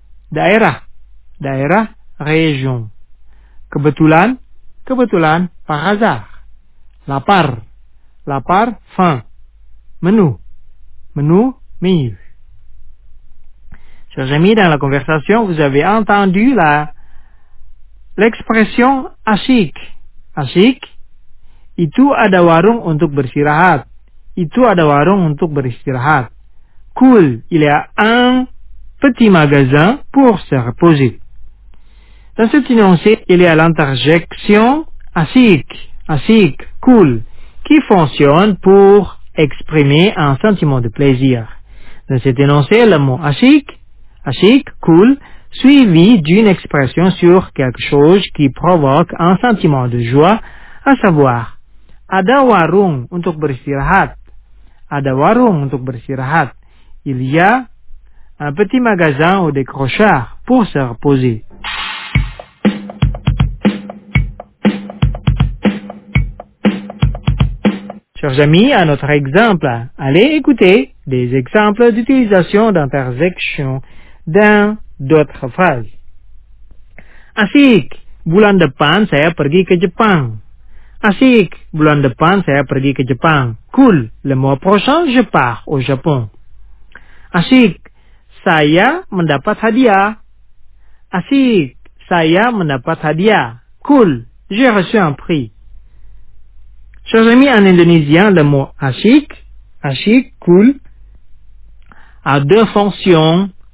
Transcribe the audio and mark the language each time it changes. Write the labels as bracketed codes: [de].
[id] Daerah, daerah, région. Kebetulan, kebetulan, par hasard. Lapar, lapar, faim. Menu, menu, menu. [fr] Chers amis, dans la conversation, vous avez entendu l'expression asik. [en] Asik, [id] itu ada warung untuk bersirahat. Itu ada warung untuk beristirahat. [fr] Cool, il y a un petit magasin pour se reposer. Dans cet énoncé, il y a l'interjection asik, asik, cool, qui fonctionne pour exprimer un sentiment de plaisir. Dans cet énoncé, le mot asik, asik, cool, suivi d'une expression sur quelque chose qui provoque un sentiment de joie, à savoir, [id] ada warung untuk beristirahat. Ada warung untuk bersirahat. [fr] Il y a un petit magasin ou des crochards pour se reposer. Chers amis, un autre exemple. Allez écouter des exemples d'utilisation d'interjection dans d'autres phrases. [id] Asik, bulan depan saya pergi ke Jepang. Asik, bulan depan saya pergi ke Jepang. [fr] Cool, le mois prochain je pars au Japon. [id] Asik, saya mendapat hadiah. Asik, saya mendapat hadiah. [fr] Cool, j'ai reçu un prix. Chers amis, en indonésien, le mot asik, asik, cool, a deux fonctions.